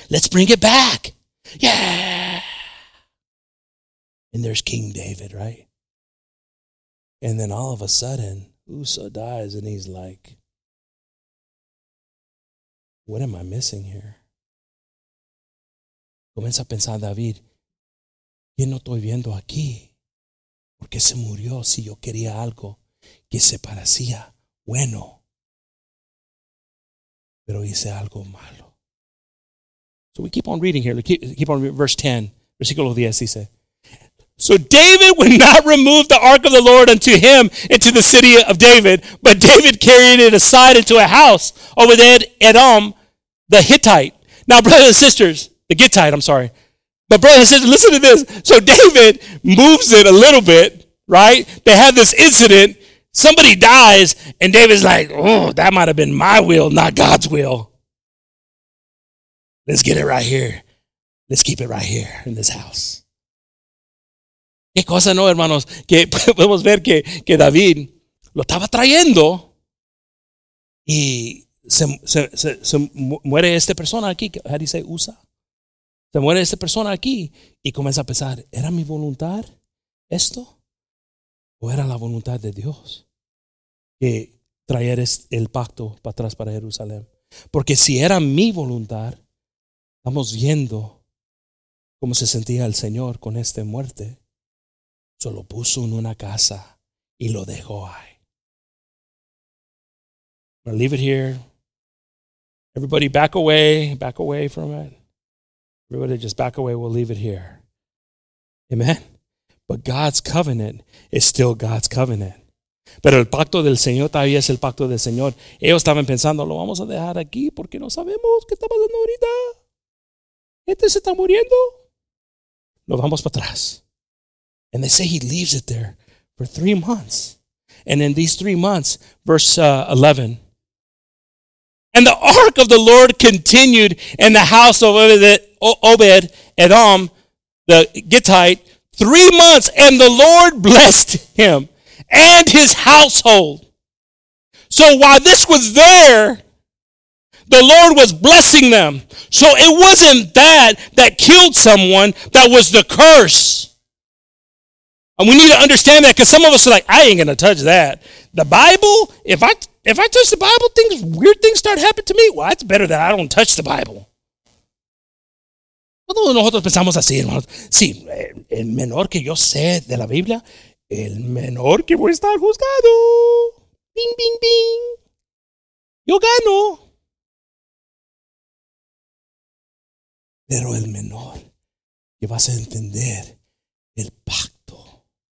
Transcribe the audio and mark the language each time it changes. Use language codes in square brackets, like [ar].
[en] Let's bring it back. Yeah. And there's King David, right? And then all of a sudden, Uzzah dies and he's like, what am I missing here? [es] Comienza a pensar David, ¿qué no estoy viendo aquí? ¿Por qué se murió si yo quería algo que se parecía bueno? Pero hice algo malo. [en] So we keep on reading here. Keep on reading. Verse 10, [es] versículo 10, dice, [en] so David would not remove the ark of the Lord unto him into the city of David, but David carried it aside into a house over there Edom, the Hittite. Now, brothers and sisters, the Gittite, I'm sorry. But brothers and sisters, listen to this. So David moves it a little bit, right? They have this incident. Somebody dies, and David's like, oh, that might have been my will, not God's will. Let's get it right here. Let's keep it right here in this house. [es] ¿Qué cosa no, hermanos? Que podemos ver que David lo estaba trayendo y se muere esta persona aquí. [en] How do you say Uzzah? [es] Se muere esta persona aquí y comienza a pensar, ¿era mi voluntad esto? ¿O era la voluntad de Dios que traer el pacto para atrás para Jerusalén? Porque si era mi voluntad, estamos viendo cómo se sentía el Señor con esta muerte. Se lo puso en una casa y lo dejó ahí. [en] I'm going to leave it here. Everybody back away. Back away from it. Everybody just back away. We'll leave it here. Amen. But God's covenant is still God's covenant. [es] Pero el pacto del Señor todavía es el pacto del Señor. Ellos estaban pensando, lo vamos a dejar aquí porque no sabemos qué está pasando ahorita. Este se está muriendo. Lo vamos para atrás. [en] And they say he leaves it there for 3 months. And in these 3 months, verse 11. And the ark of the Lord continued in the house of Obed-Edom, the Gittite, 3 months. And the Lord blessed him and his household. So while this was there, the Lord was blessing them. So it wasn't that that killed someone, that was the curse. And we need to understand that because some of us are like, I ain't going to touch that. The Bible, if I touch the Bible, weird things start happening to me. Well, that's better that I don't touch the Bible. [es] Todos nosotros pensamos así, hermanos. Sí, el menor que yo sé de la Biblia, el menor que voy a estar juzgado. Bing, bing, bing. Yo gano. Pero el menor que vas a entender el pacto.